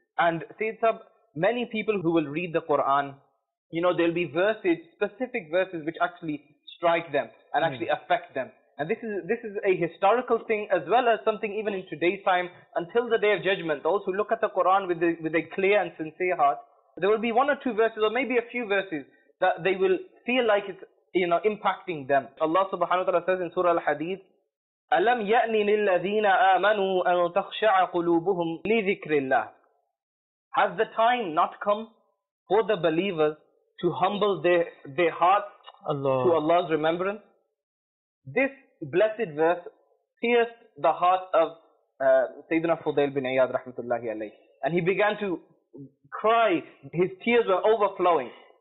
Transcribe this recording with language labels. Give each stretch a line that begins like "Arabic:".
English: And Sayyid Sahab, many people who will read the Quran, you know, there'll be verses, specific verses, which actually strike them and actually affect them. And this is a historical thing as well as something even in today's time, until the day of judgment. Those who look at the Quran with a clear and sincere heart, there will be one or two verses or maybe a few verses that they will feel like it's, you know, impacting them. Allah subhanahu wa ta'ala says in Surah Al-Hadid,
Arabic: أَلَمْ يَأْنِ لِلَّذِينَ آمَنُوا أَنْ تَخْشَعَ قُلُوبُهُمْ لِذِكْرِ اللَّهِ.
English: Has the time not come for the believers to humble their hearts Allah. To Allah's remembrance? This blessed verse pierced the heart of Sayyidina Fudail bin Iyad rahmatullahi alayhi. And he began to cry, his tears were overflowing.